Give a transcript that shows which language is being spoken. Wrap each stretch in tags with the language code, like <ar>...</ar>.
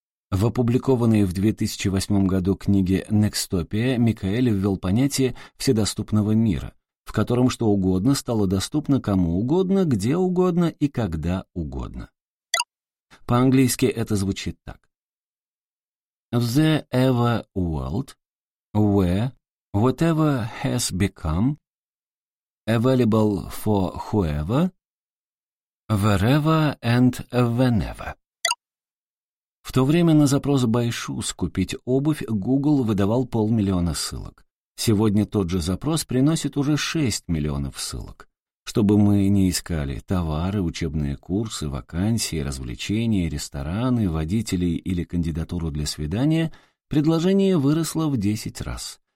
<ru>В опубликованной в 2008 году книге «Некстопия» Микаэль ввел понятие «вседоступного мира», в котором что угодно стало доступно кому угодно, где угодно и когда угодно. По-английски это звучит так.</ru> <en>The ever world, where whatever has become, available for whoever, wherever and whenever.</en> <ru>В то время на запрос «Байшуз» купить обувь Google выдавал 500 000 ссылок. Сегодня тот же запрос приносит уже 6 миллионов ссылок. Чтобы мы не искали товары, учебные курсы, вакансии, развлечения, рестораны, водителей или кандидатуру для свидания, предложение выросло в 10 раз.</ru>